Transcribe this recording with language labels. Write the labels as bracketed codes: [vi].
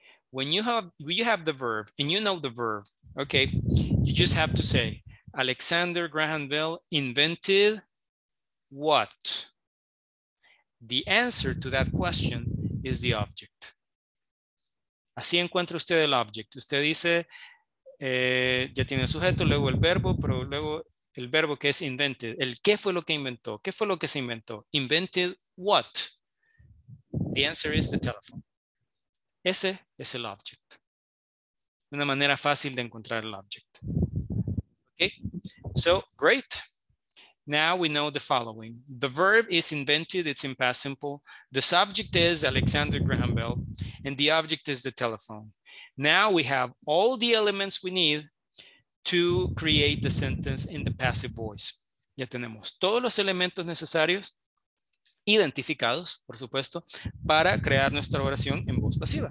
[en] When you have the verb and you know the verb, okay, you just have to say, Alexander Graham Bell invented what? The answer to that question is the object. [es] Así encuentra usted el object. Usted dice, ya tiene el sujeto, luego el verbo, pero luego el verbo que es invented. El qué fue lo que inventó, qué fue lo que se inventó. [en] Invented what? The answer is the telephone. [es] Ese es el object. Una manera fácil de encontrar el object. [en] Okay, so great. Now we know the following. The verb is invented, it's in past simple. The subject is Alexander Graham Bell, and the object is the telephone. Now we have all the elements we need to create the sentence in the passive voice. [es] Ya tenemos todos los elementos necesarios, identificados, por supuesto, para crear nuestra oración en voz pasiva.